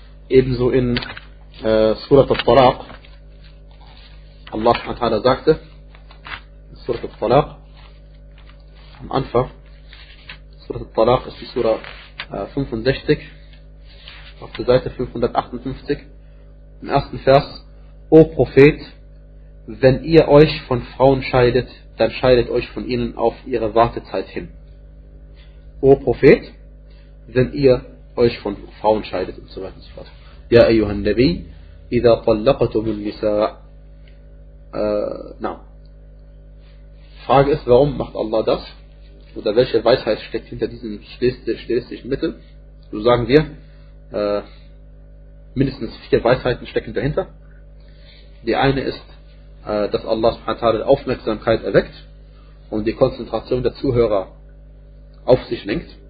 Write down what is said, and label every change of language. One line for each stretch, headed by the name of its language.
German: Ebenso in Surat al-Talaq, Allah subhanahu wa ta'ala sagte, in Surat al-Talaq, am Anfang, Surat al-Talaq ist die Sura 65, auf der Seite 558, im ersten Vers, O Prophet, wenn ihr euch von Frauen scheidet, dann scheidet euch von ihnen auf ihre Wartezeit hin. O Prophet, wenn ihr euch von Frauen scheidet und so weiter und so fort.
Arabic: يا أيها النبي إذا طلقتم النساء نعم.
German: Frage ist, warum macht Allah das? oder welche Weisheit steckt hinter diesen stilistischen Mitteln? So sagen wir, mindestens vier Weisheiten stecken dahinter. Die eine ist, dass Allah subhanahu wa ta'ala die Aufmerksamkeit erweckt und die Konzentration der Zuhörer auf sich lenkt.